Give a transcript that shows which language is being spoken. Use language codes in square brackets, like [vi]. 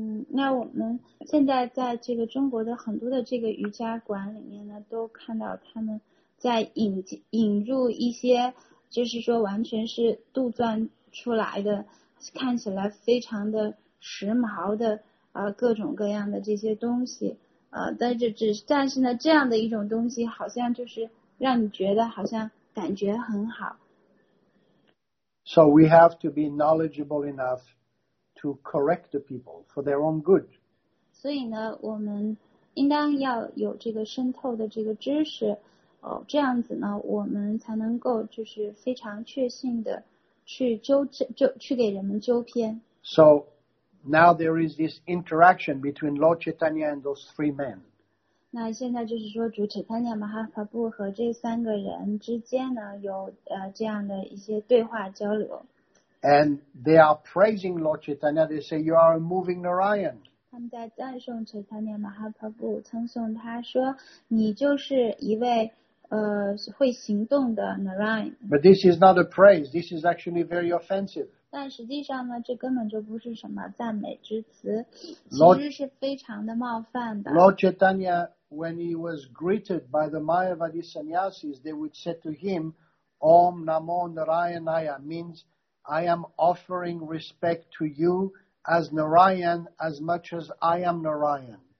[zh] 那我们现在在这个中国的很多的这个瑜伽馆里面呢，都看到他们在引入一些就是说完全是杜撰出来的看起来非常的时髦的各种各样的这些东西但是呢这样的一种东西好像就是让你觉得好像感觉很好 [en] So we have to be knowledgeable enough to correct the people for their own good [zh] 所以呢我们应当要有这个深透的这个知识这样子呢我们才能够就是非常确信的去给人们纠偏。 [en] So, now there is this interaction between Lord Chaitanya and those three men. [zh] 那现在就是说主 Chaitanya Mahaprabhu 和这三个人之间呢有这样的一些对话交流。 [en] And they are praising Lord Chaitanya, they say, you are a moving Narayan. [zh] 他们在赞颂 Chaitanya Mahaprabhu 称颂他说你就是一位会行动的 Narayan [en] But this is not a praise This is actually very offensive [zh] 但实际上呢这根本就不是什么赞美之词其实是非常的冒犯的 [en] Lord Chaitanya when he was greeted by the Mayavadi sannyasis they would say to him [sa] Om Namo Narayanaya [en] means I am offering respect to youAs Narayan, as much as I am Narayan.